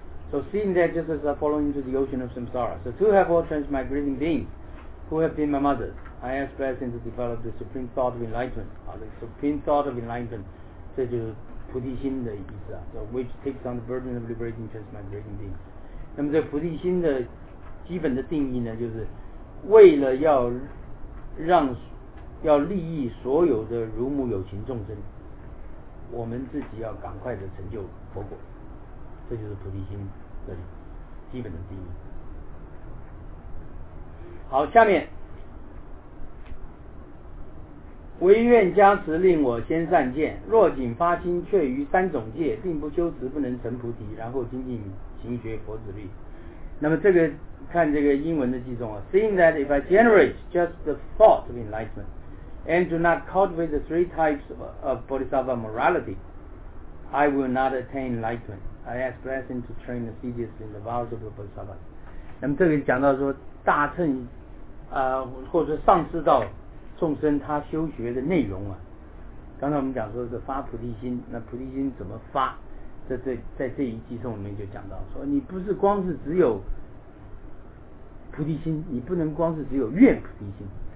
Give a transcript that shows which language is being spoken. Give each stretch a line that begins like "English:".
English: So seeing that just as I fall into the ocean of samsara, so to have all transmigrating beings who have been my mothers, I ask blessing to develop the supreme thought of enlightenment. The supreme thought of enlightenment,
Chinese: 这就是菩提心的意思啊。
English: So which takes on the burden of liberating transmigrating beings.
Chinese: 那么这菩提心的基本的定义呢，就是为了要让要利益所有的乳母有情众生，我们自己要赶快的成就佛果，这就是菩提心的基本的定义。好，下面唯愿加持令我先善见，若仅发心却于三种戒，并不修持不能成菩提，然后精进行学佛子律。那么这个看这个英文的记诵啊，
English: Seeing that if I generate just the thought of enlightenment and do not cultivate the three types of bodhisattva morality, I will not attain enlightenment. I ask blessing to train the seeds in the vows of the bodhisattva.
Chinese: 那么这里讲到说大乘或者上师道众生他修学的内容啊，刚才我们讲说是发菩提心，那菩提心怎么发，在这一记诵里面就讲到说，你不是光是只有菩提心，你不能光是只有愿菩提心。